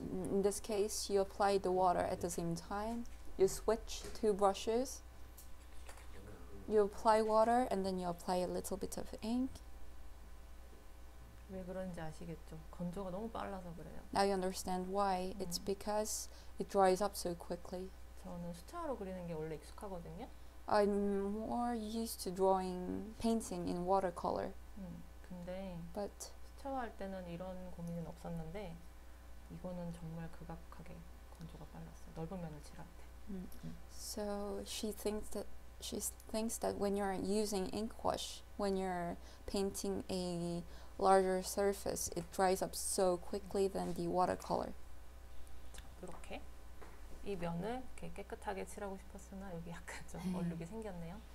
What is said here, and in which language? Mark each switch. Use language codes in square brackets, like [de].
[en] In this case, you apply the water at the same time. You switch two brushes. You apply water and then you apply a little bit of ink. [ko] 왜 그런지 아시겠죠? 건조가 너무 빨라서 그래요. [en] Now you understand why. It's because it dries up so quickly. [ko] 저는 수채화로 그리는 게 원래 익숙하거든요. [en] I'm more used to drawing painting in watercolor. [ko] 근데 [en] But [ko] 수채화 할 때는 이런 고민은 없었는데 이거는 정말 극악하게 건조가 빨랐어요. 넓은 면을 칠할 때. [en] So she thinks that when you're using inkwash, when you're painting a larger surface, it dries up so quickly than the watercolor. [ko] 이렇게 이 면을 이렇게 깨끗하게 칠하고 싶었으나 여기 약간 좀 얼룩이 생겼네요.